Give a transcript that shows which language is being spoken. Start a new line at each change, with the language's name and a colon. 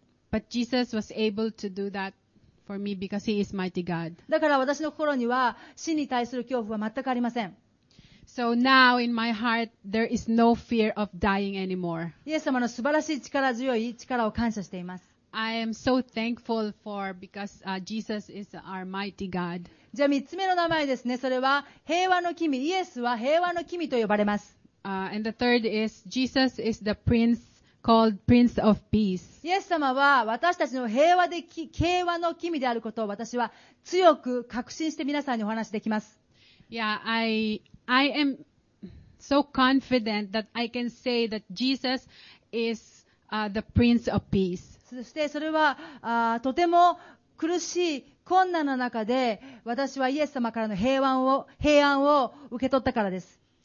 English: But Jesus was able to do that. For me, because he is mighty God.
Japanese: だから私の心には死に対する恐怖は全くありません。
English: So now in my heart, there is no fear of dying anymore.
Japanese: イエス様の素晴らしい力強い力を感謝しています。
English: I am so thankful for because Jesus is our mighty God.
Japanese: じゃあ三つ目の名前ですね。それは平和の君。イエスは平和の君と呼ばれます。
English: And the third is Jesus is the Prince. Called Prince of Peace.
Japanese: イエス様は私たちの平和で平和の君であることを私は強く確信して皆さんにお話しできます。
English: Yeah, I am so confident that I can say that Jesus is the Prince of Peace.
Japanese: そしてそれはとても苦しい困難の中で私はイエス様からの平安を受け取ったからです。